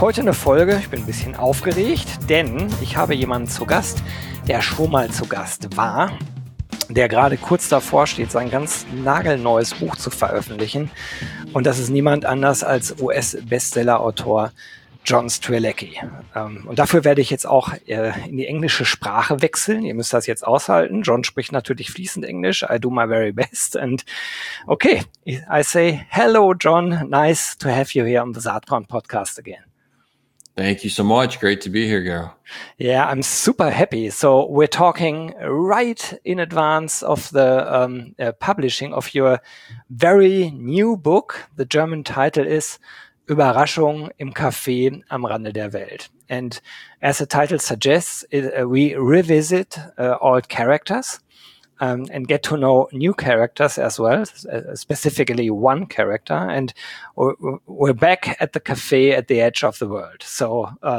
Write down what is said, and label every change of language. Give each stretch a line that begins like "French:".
German: Heute eine Folge, ich bin ein bisschen aufgeregt, denn ich habe jemanden zu Gast, der schon mal zu Gast war, der gerade kurz davor steht, sein ganz nagelneues Buch zu veröffentlichen. Und das ist niemand anders als US-Bestseller-Autor John Strelecki. Und dafür werde ich jetzt auch in die englische Sprache wechseln. Ihr müsst das jetzt aushalten. John spricht natürlich fließend Englisch.
English: I do my very best. And okay, I say hello, John. Nice to have you here on the Saatkorn podcast again. Thank you so much. Great to be here, Gero. Yeah, I'm super happy. So we're talking right in advance of the publishing of your very new book. The German title is Überraschung im Café am Rande der Welt. And as the title suggests, we revisit old characters and get to know new characters as well, specifically one character. And we're back at the café at the edge of the world. So,